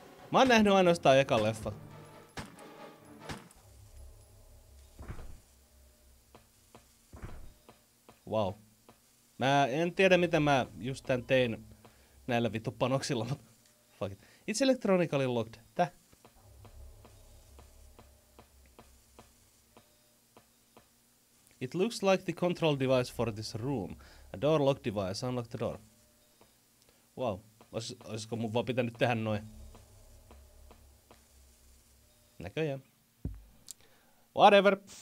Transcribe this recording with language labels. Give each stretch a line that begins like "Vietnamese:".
Finnish: Mä oon nähnyt ainoastaan ekan leffa. Wow. Mä en tiedä miten mä just tän tein näillä vittu panoksilla, mutta...
English: Fuck it. It's electronically locked. Täh. It looks like the control device for this room. A door lock device. Unlock the door. Wow.
Finnish: Olisiko mun vaan pitänyt tehdä noin? Näköjään. Whatever.